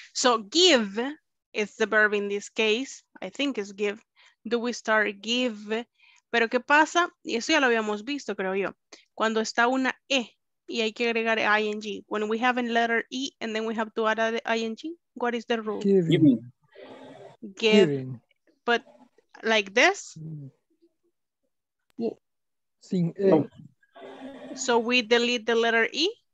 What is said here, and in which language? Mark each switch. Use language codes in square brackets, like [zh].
[en] So give is the verb in this case. I think it's give. Do we start give? [es] Pero ¿qué pasa? Y eso ya lo habíamos visto, creo yo. Cuando está una E y hay que agregar ING. [en] When we have a letter E and then we have to add ING, what is the rule? Giving. Give. Giving. But like this? [es] Sin E. [en] So we delete the letter E?